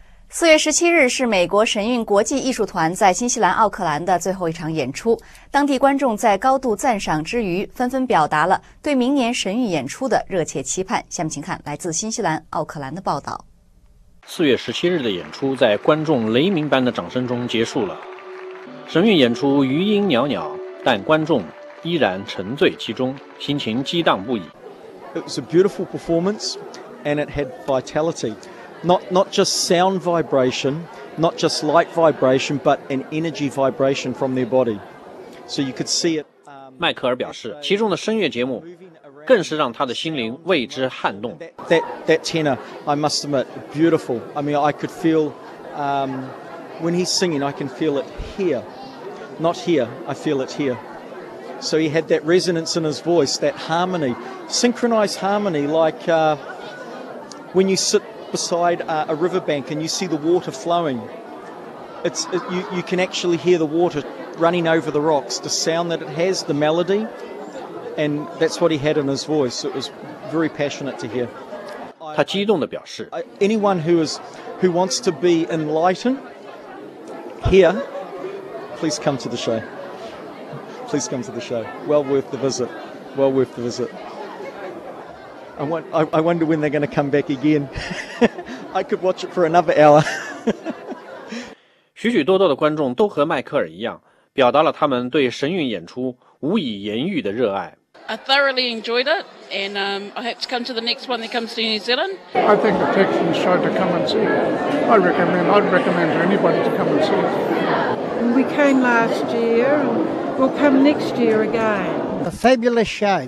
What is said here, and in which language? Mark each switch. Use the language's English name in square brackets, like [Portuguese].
[Chinese] 4月17日是美国神韵国际艺术团在新西兰奥克兰的最后一场演出，当地观众在高度赞赏之余，纷纷表达了对明年神韵演出的热切期盼。下面请看来自新西兰奥克兰的报道。 4月17日的演出在观众雷鸣般的掌声中结束了，神韵演出余音袅袅，但观众依然沉醉其中，心情激荡不已。 [English] It was a beautiful performance and it had vitality. Not just sound vibration, not just light vibration, but an energy vibration from their body. So you could see it. [Chinese] 迈克尔表示，其中的声乐节目更是让他的心灵为之撼动。 [English] That tenor, I must admit, beautiful. I mean, I could feel, when he's singing, I can feel it here. Not here, I feel it here. So he had that resonance in his voice, that harmony, synchronized harmony, like when you sit. Beside a riverbank, and you see the water flowing. You can actually hear the water running over the rocks, the sound that it has, the melody, and that's what he had in his voice. It was very passionate to hear. [Chinese] 他激动地表示 [English] Anyone who wants to be enlightened here, please come to the show. Please come to the show. Well worth the visit. Well worth the visit. I wonder when they're going to come back again. I could watch it for another hour. [Chinese] 许许多多的观众都和迈克尔一样，表达了他们对神韵演出无以言喻的热爱。 [English] I thoroughly enjoyed it, and I hope to come to the next one that comes to New Zealand. I think the Texan show to come and see. I'd recommend to anybody to come and see. We came last year, and we'll come next year again. A fabulous show.